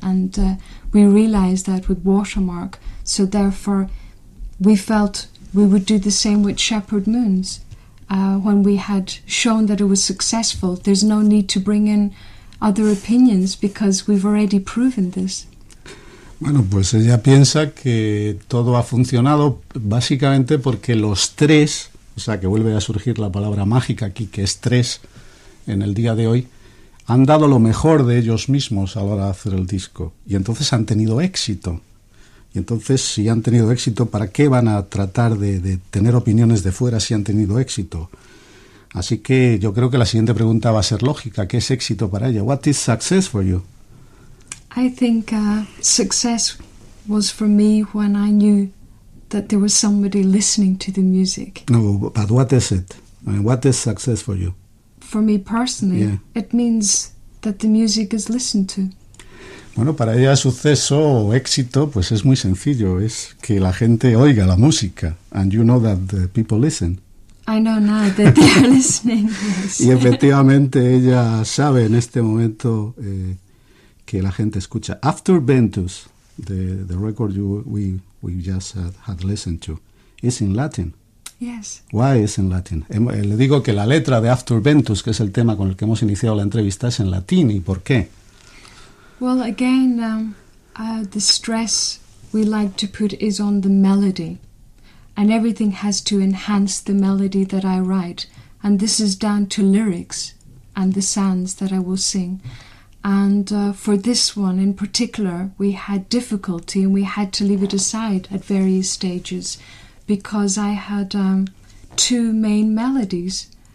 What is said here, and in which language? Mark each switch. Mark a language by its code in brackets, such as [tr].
[en] And we realized that with Watermark. So therefore, we felt we would do the same with Shepherd Moons. When we had shown that it was successful, there's no need to bring in other opinions, because we've already proven this. [es] Bueno, pues ella piensa que todo ha funcionado básicamente porque los tres, o sea, que vuelve a surgir la palabra mágica aquí, que es tres en el día de hoy, han dado lo mejor de ellos mismos a la hora de hacer el disco. Y entonces han tenido éxito. Y entonces, si han tenido éxito, ¿para qué van a tratar de tener opiniones de fuera si han tenido éxito? Así que yo creo que la siguiente pregunta va a ser lógica. ¿Qué es éxito para ella? [en] What is success for you? I think success was for me when I knew that there was somebody listening to the music. No, but what is it? I mean, what is success for you? For me personally, yeah. It means that the music is listened to. [es] Bueno, para ella suceso o éxito, pues es muy sencillo. Es que la gente oiga la música. [en] And you know that the people listen. I know now that they are listening. Yes. [es] Y efectivamente ella sabe en este momento que la gente escucha. [en] After Ventus, the record we just had listened to, is in Latin. Yes. Why is in Latin? [es] Le digo que la letra de After Ventus, que es el tema con el que hemos iniciado la entrevista, es en latín. ¿Y por qué? [en] Well, again, the stress we like to put is on the melody. And everything has to enhance the melody that I write. And this is down to lyrics and the sounds that I will sing. And for this one in particular, we had difficulty and we had to leave it aside at various stages because I had two main melodies.